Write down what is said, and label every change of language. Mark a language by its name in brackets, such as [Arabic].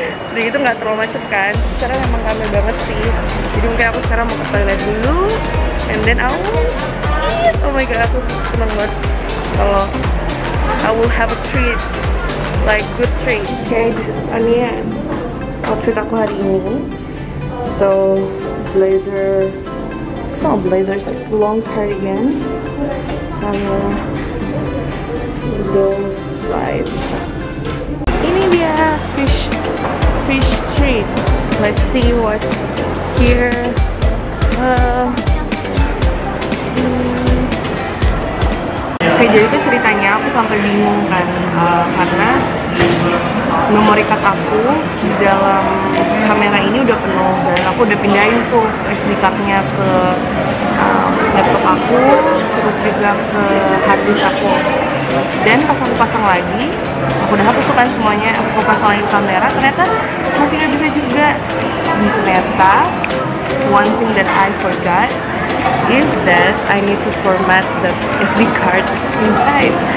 [Indonesian] Jadi itu gak terlalu macet kan. Sekarang memang rame banget sih. Jadi mungkin aku sekarang mau ke toilet dulu. [English] And then I will eat. Oh my god, [Indonesian] aku seneng banget kalau [English] I will have a treat like good treat. [Indonesian] Okay, ini outfit aku hari ini. [English] So blazer, it's not blazer, it's like long cardigan. Sama those slides. [Indonesian] Ini dia fish treat. [English] Let's see what's here. [Indonesian] Oke, jadi itu ceritanya aku sampai bingung kan, karena memory card aku di dalam kamera ini udah penuh dan aku udah pindahin tuh SD card-nya ke laptop aku, terus juga ke hard disk aku. Dan pas aku pasang lagi, aku udah hapus kan semuanya, aku pasang lagi kamera, ternyata masih nggak bisa juga. [English] Ternyata, one thing that I forgot is that I need to format the SD card inside.